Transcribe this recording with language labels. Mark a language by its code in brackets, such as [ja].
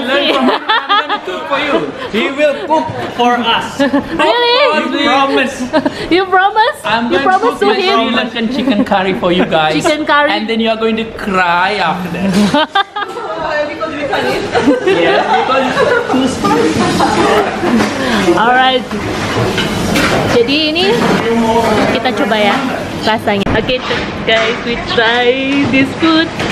[en] gonna learn from him. I'm gonna cook for you. He will cook for us. Really? You promise. You promise? I'm gonna cook my Sri Lankan chicken curry for you guys. Chicken curry. And then you are going to cry after that. Yeah. [id] Alright, jadi ini kita coba ya rasanya. [en] Okay, guys, we try this food.